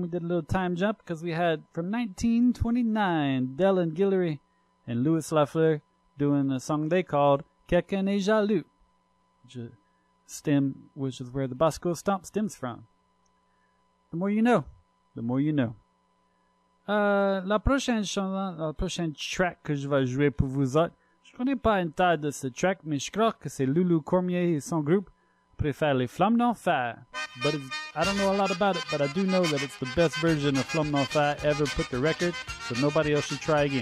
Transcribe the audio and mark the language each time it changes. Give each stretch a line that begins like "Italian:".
English: We did a little time jump because we had from 1929 Del and Guillory and Louis Lafleur doing a song they called Quelqu'un est jaloux, which is stem, which is where the Bosco Stomp stems from. The more you know, the more you know.
French: La prochaine chanson, la prochaine track que je vais jouer pour vous autres, je connais pas un tas de ce track, mais je crois que c'est Loulou Cormier et son groupe préfère les Flammes d'Enfer.
English: But I don't know a lot about it, but I do know that it's the best version of Flammes d'Enfer ever put to record, so nobody else should try again.